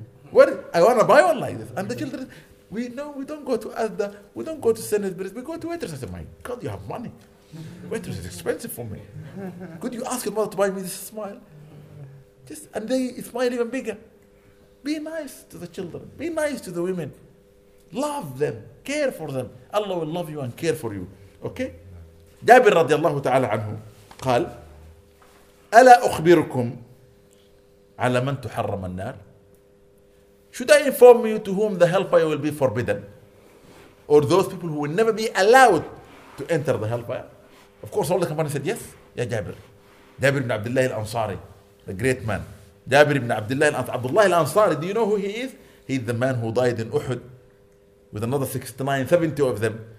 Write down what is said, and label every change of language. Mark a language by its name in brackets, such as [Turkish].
[English] Where? I want to buy one like this. And the children, we know we don't go to Asda, we don't go to Sainsbury's, we go to waitress. I say, my God, you have money. Waitress is expensive for me. Could you ask your mother to buy me this smile? Just, and they smile even bigger. Be nice to the children. Be nice to the women. Love them. Care for them. Allah will love you and care for you. Okay? [Arabic] Jabir radiallahu ta'ala anhu قال ألا أخبركم على من تحرم النار? [English] Should I inform you to whom the hellfire will be forbidden? Or those people who will never be allowed to enter the hellfire? Of course, all the companions said yes. Ya Jabir. Jabir ibn Abdullah al-Ansari, the great man. Jabir ibn Abdullah al-Ansari, do you know who he is? He's the man who died in Uhud with another 69, 70 of them.